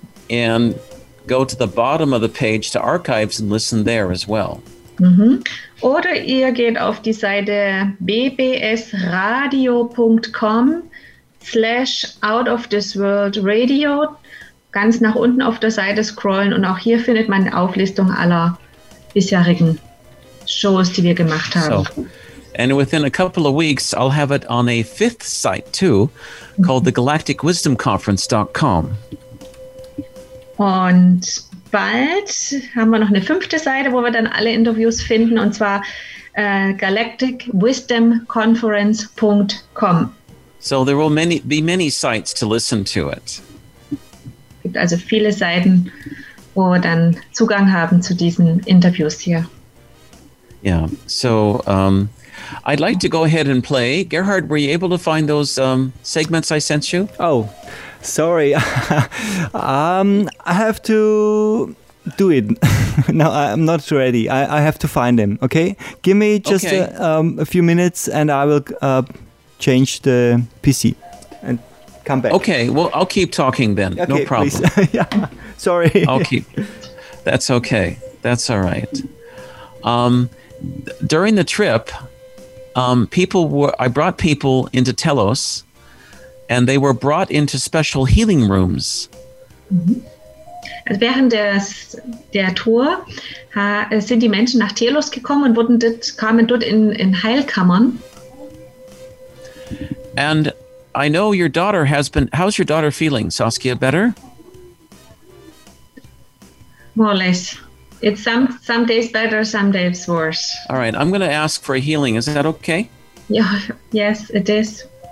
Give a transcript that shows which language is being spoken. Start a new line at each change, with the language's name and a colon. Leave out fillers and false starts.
English: And go to the bottom of the page to archives and listen there as well. Mm-hmm.
German: Oder ihr geht auf die Seite bbsradio.com/outofthisworldradio. Ganz nach unten auf der Seite scrollen und auch hier findet man eine Auflistung aller bisherigen Shows, die wir gemacht haben.
English: So, and within a couple of weeks, I'll have it on a fifth site too, called thegalacticwisdomconference.com.
German: Und bald haben wir noch eine fünfte Seite, wo wir dann alle Interviews finden, und zwar galacticwisdomconference.com.
English: So there will be many sites to listen to it.
German: Es gibt also viele Seiten, wo wir dann Zugang haben zu diesen Interviews hier.
English: Yeah, so I'd like to go ahead and play. Gerhard, were you able to find those segments I sent you? Oh, sorry. I have to do it. No, I'm not ready. I have to find them, okay? Give me just a few minutes and I will change the PC and come back. Okay, well, I'll keep talking then. Okay, no problem. Please. Sorry. I'll keep. That's okay. That's all right. During the trip, I brought people into Telos, and they were brought into special healing rooms. Mm-hmm.
German: Also während der Tour sind die Menschen nach Telos gekommen und kamen dort in Heilkammern.
English: And I know your daughter has been. How's your daughter feeling, Saskia? Better? More or less. It's some days better, some days worse. All right, I'm going to ask for a healing. Is that okay? Yeah, yes, it is.